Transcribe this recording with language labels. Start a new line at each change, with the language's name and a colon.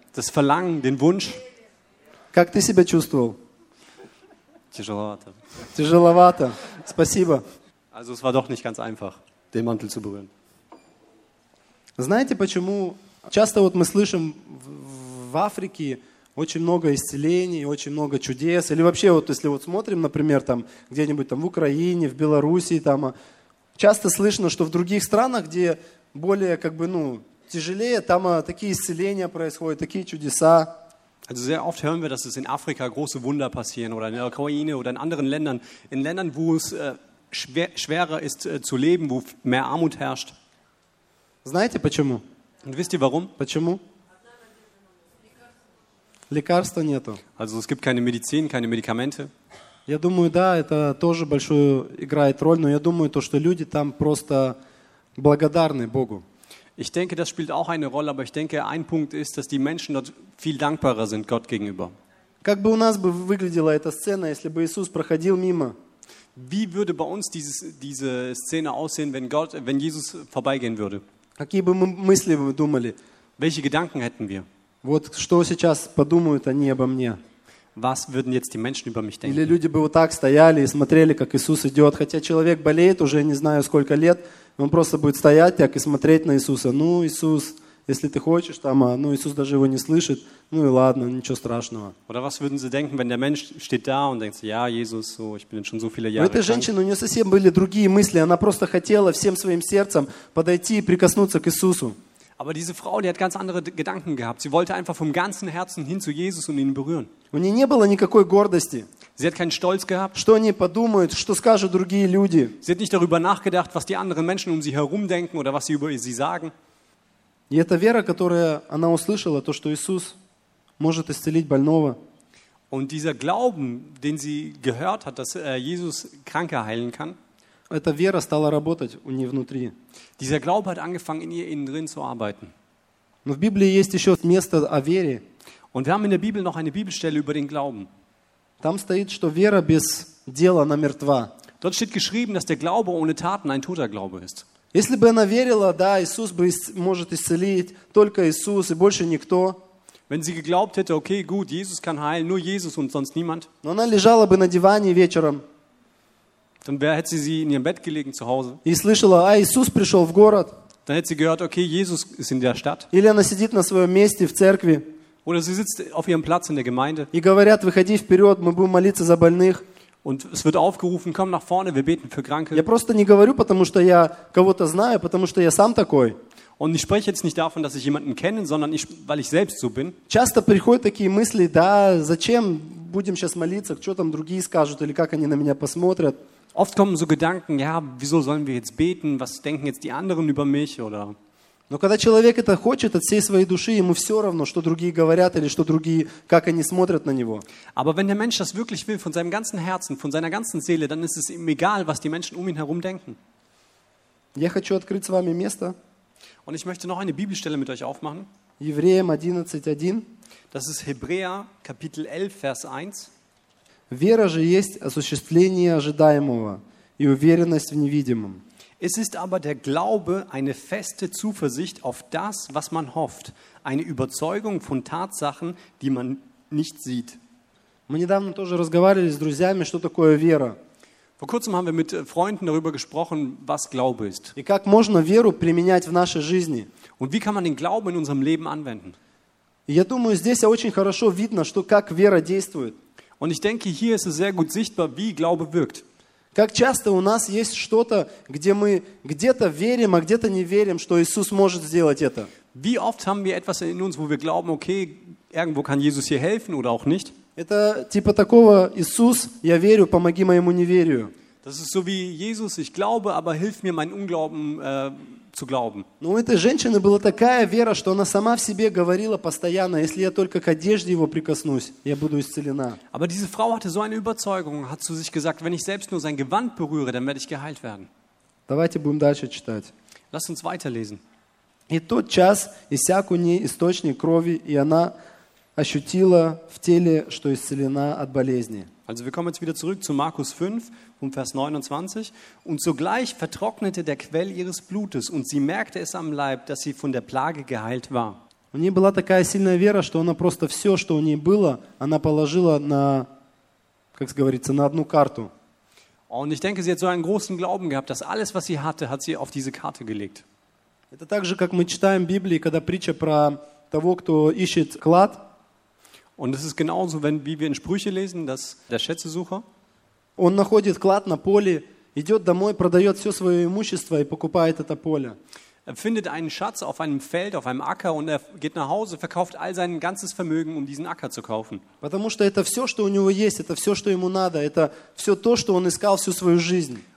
German: Das Verlangen, den Wunsch.
Russian: Как ты себя чувствовал? Тяжеловато. Тяжеловато. Спасибо.
German: Also es war doch nicht ganz einfach, den Mantel zu berühren.
Russian: Знаете, почему часто вот мы слышим в Африке очень много исцелений, очень много чудес, или вообще вот если вот смотрим, например, там где-нибудь там в Украине, в Белоруссии, там часто слышно, что в других странах, где более как бы, ну, тяжелее, там такие исцеления происходят, такие чудеса.
German: Also sehr oft hören wir, dass es in Afrika große Wunder passieren oder in der Ukraine oder in anderen Ländern, in Ländern, wo es schwerer ist zu leben, wo mehr Armut herrscht.
Russian: Знаете почему?
German: Und wisst ihr warum?
Russian: Почему? Лекарства нету.
German: Also es gibt keine Medizin, keine Medikamente.
Russian: Я думаю, да, это тоже большую играет роль, но я думаю то, что люди там просто благодарны Богу.
German: Ich denke, das spielt auch eine Rolle, aber ich denke, ein Punkt ist, dass die Menschen dort viel dankbarer sind Gott gegenüber.
Russian: Как бы у нас бы выглядела эта сцена, если бы Иисус проходил мимо?
German: Wie würde bei uns diese Szene aussehen, wenn Jesus vorbeigehen würde?
Russian: Какие бы мы мысли думали?
German: Welche Gedanken hätten wir?
Russian: Вот что сейчас подумают они обо мне?
German: Was würden jetzt die Menschen über mich denken?
Russian: Или люди бы вот так стояли и смотрели, как Иисус идет, хотя человек болеет уже не знаю сколько лет. Он просто будет стоять так и смотреть на Иисуса. Ну, Иисус, если ты хочешь, там, ну, Иисус даже его не слышит. Ну и ладно, ничего страшного.
German: Oder was würden Sie denken, wenn der Mensch steht da und denkt, ja, Jesus, so, ich bin schon so viele Jahre.
Russian: У этой женщины у нее совсем были другие мысли. Она просто хотела всем своим сердцем подойти и прикоснуться к Иисусу.
German: Aber diese Frau, die hat ganz andere Gedanken gehabt. Sie wollte einfach vom ganzen Herzen hin zu Jesus und ihn berühren.
Russian: У нее не было никакой гордости.
German: Sie hat keinen Stolz gehabt.
Russian: Что они подумают, что скажут другие люди.
German: Sie hat nicht darüber nachgedacht, was die anderen Menschen um sie herum denken oder was sie über sie sagen.
Russian: И эта вера, которую она услышала, то, что Иисус может исцелить больного.
German: Und dieser Glauben, den sie gehört hat, dass Jesus Kranke heilen kann.
Russian: Эта вера стала работать у нее внутри.
German: Dieser Glaube hat angefangen, in ihr innen drin zu arbeiten.
Russian: Но в Библии есть еще место о вере.
German: Und wir haben in der Bibel noch eine Bibelstelle über den Glauben.
Russian: Там стоит, что вера без дела, она мертва.
German: Dort steht geschrieben, dass der Glaube ohne Taten ein toter Glaube ist.
Russian: Если бы она верила, да, Иисус бы может исцелить, только Иисус и больше никто.
German: Wenn sie geglaubt hätte, okay, gut, Jesus kann heilen, nur Jesus und sonst niemand.
Russian: Но она лежала бы на диване вечером.
German: Dann hätte sie sie in ihrem Bett gelegen zu Hause.
Russian: И слышала, а Иисус пришел в город.
German: Dann hätte sie gehört, okay, Jesus ist in der Stadt.
Russian: Или она сидит на своем месте в церкви.
German: Oder sie sitzt auf ihrem Platz in der Gemeinde.
Russian: И говорят, выходи вперед, мы будем молиться за больных.
German: Und es wird aufgerufen, komm nach vorne, wir beten für Kranke.
Russian: Я просто не говорю, потому что я кого-то знаю, потому что я сам такой.
German: Und ich spreche jetzt nicht davon, dass ich jemanden kenne, sondern weil ich selbst so bin.
Russian: Часто приходят такие мысли, да, зачем будем сейчас молиться, что там другие скажут или как они на меня посмотрят.
German: Oft kommen so Gedanken, ja, wieso sollen wir jetzt beten, was denken jetzt die anderen über mich oder...
Russian: Но когда человек это хочет от всей своей души, ему все равно, что другие говорят или что другие, как они смотрят на него.
German: Aber wenn der Mensch das wirklich will, von seinem ganzen Herzen, von seiner ganzen Seele, dann ist es ihm egal, was die Menschen um ihn herum denken.
Russian: Я хочу открыть с вами место.
German: Und ich möchte noch eine Bibelstelle mit euch aufmachen.
Russian: Евреям 11:1.
German: Das ist Hebräer, Kapitel 11, Vers 1.
Russian: Вера же есть осуществление ожидаемого и уверенность в невидимом.
German: Es ist aber der Glaube eine feste Zuversicht auf das, was man hofft, eine Überzeugung von Tatsachen, die man nicht sieht.
Russian: Мы недавно тоже разговаривали с друзьями, что такое вера.
German: Vor kurzem haben wir mit Freunden darüber gesprochen, was Glaube ist.
Russian: И как можно веру применять в нашей жизни?
German: Und wie kann man den Glauben in unserem Leben anwenden?
Russian: Я думаю, здесь очень хорошо видно, что как вера действует.
German: Und ich denke, hier ist es sehr gut sichtbar, wie Glaube wirkt.
Russian: Как часто у нас есть что-то, где мы где-то верим, а где-то не верим, что Иисус может сделать это?
German: Wie oft haben wir etwas in uns, wo wir glauben, okay, irgendwo kann Jesus hier helfen oder auch nicht?
Russian: Это типа такого: Иисус, я верю, помоги моему неверию.
German: Das ist so wie: Jesus, ich glaube, aber hilf mir meinen Unglauben zu glauben.
Russian: Но у этой женщины была такая вера, что она сама в себе говорила постоянно: если я только к одежде его прикоснусь, я буду исцелена.
German: Aber diese Frau hatte so eine Überzeugung, hat zu sich gesagt: wenn ich selbst nur sein Gewand berühre, dann werde ich geheilt werden.
Russian: Давайте будем дальше читать.
German: Lass uns weiterlesen.
Russian: И тот час иссяк у ней источник крови, и она ощутила в теле, что исцелена от болезни.
German: Also wir kommen jetzt wieder zurück zu Markus 5, um Vers 29. Und sogleich vertrocknete der Quell ihres Blutes, und sie merkte es am Leib, dass sie von der Plage geheilt war.
Russian: У нее была такая сильная вера, что она просто все, что у нее было, она положила на, как говорится, на одну карту.
German: Und ich denke, sie hat so einen großen Glauben gehabt, dass alles, was sie hatte, hat sie auf diese Karte gelegt.
Russian: Это так же, как мы читаем в Библии, когда притча про того, кто ищет клад.
German: Und es ist genauso, wenn wie wir in Sprüche lesen, dass der Schätzesucher,
Russian: он находит клад на поле, идёт домой, продаёт всё своё имущество и покупает это поле.
German: Er findet einen Schatz auf einem Feld, auf einem Acker, und er geht nach Hause, verkauft all sein ganzes Vermögen, um diesen Acker zu kaufen.
Russian: Потому что это всё, что у него есть, это всё, что ему надо, это всё то, что он искал всю свою жизнь.